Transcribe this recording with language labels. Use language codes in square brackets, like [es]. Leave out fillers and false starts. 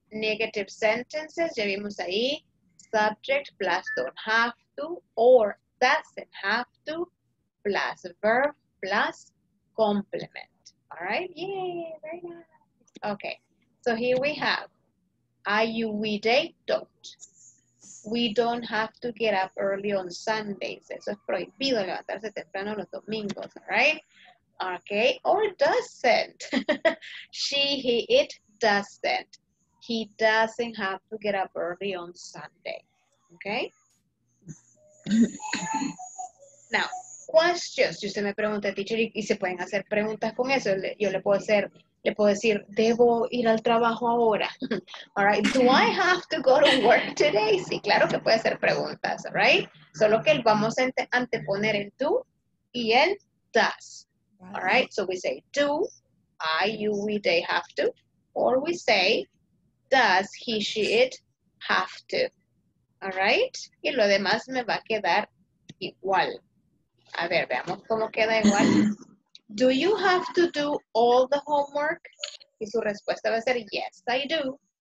[en] Negative sentences, [es] ya vimos ahí, [en] subject plus don't have to, or doesn't have to, plus verb, plus complement. All right, yay, very nice. Okay, so here we have, I, you, we, they, don't. We don't have to get up early on Sundays. [es] Eso es prohibido, levantarse temprano los domingos, all right? [en] Okay, or doesn't. She, he, it, doesn't. He doesn't have to get up early on Sunday. Okay? [es] Now, questions. Si usted me pregunta, teacher, y se pueden hacer preguntas con eso, yo le puedo hacer Le puedo decir, debo ir al trabajo ahora. [en] All right. Do I have to go to work today? [es] Sí, claro que puede hacer preguntas, [en] right? [es] Solo que vamos a anteponer el do y el does. All right. [en] So we say, do I, you, we, they have to. Or we say, does he, she, it have to. All right. [es] Y lo demás me va a quedar igual. A ver, veamos cómo queda igual. [en] Do you have to do all the homework? [es] Y su respuesta va a ser, [en] yes, I do.